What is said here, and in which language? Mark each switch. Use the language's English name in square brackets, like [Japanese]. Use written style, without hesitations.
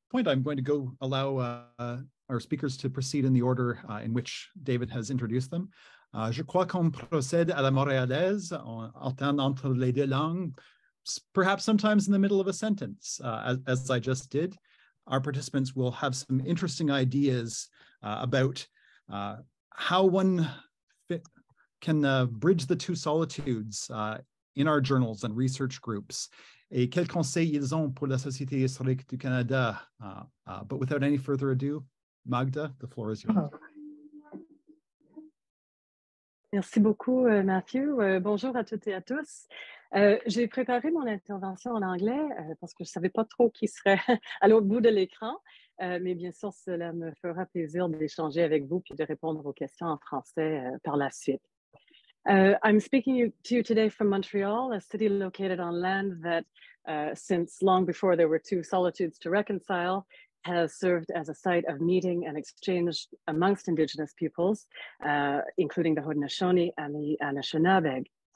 [English] Point, I'm going to go allow our speakers to proceed in the order in which David has introduced them. [French] Je crois qu'on procède à la Montréalaise en alternant entre les deux langues. [English] Perhaps sometimes in the middle of a sentence, as I just did, our participants will have some interesting ideas about how one can bridge the two solitudes in our journals and research groups. [French] Et quels conseils ils ont pour la Société historique du Canada? [English] But without any further ado, Magda, the floor is yours. [French] Merci beaucoup, Matthew. Bonjour à toutes et à tous. J'ai préparé mon intervention en anglais parce que je ne savais pas trop qui serait à l'autre bout de l'écran, mais bien sûr, cela me fera plaisir d'échanger avec vous puis de répondre aux questions en français par la suite. [English] I'm speaking to you today from Montreal, a city located on land that, since long before there were two solitudes to reconcile, has served as a site of meeting and exchange amongst Indigenous peoples, including the Haudenosaunee and the Anishinaabeg.